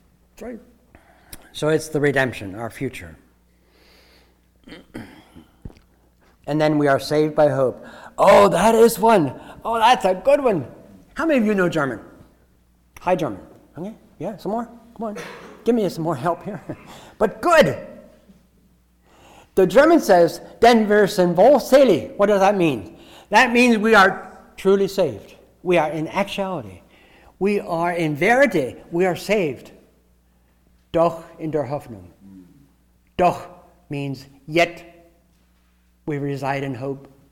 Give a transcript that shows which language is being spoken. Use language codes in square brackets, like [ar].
[en] That's right. So it's the redemption, our future. And then we are saved by hope. Oh, that is one. Oh, that's a good one. How many of you know German? High German. Okay, yeah, some more? Come on. Give me some more help here. But good. The German says, [de] Denn wir sind wohl selig. [en] What does that mean? That means we are truly saved. We are in actuality. We are in verity. We are saved. [de] Doch in der Hoffnung. [en] Doch means yet we reside in hope.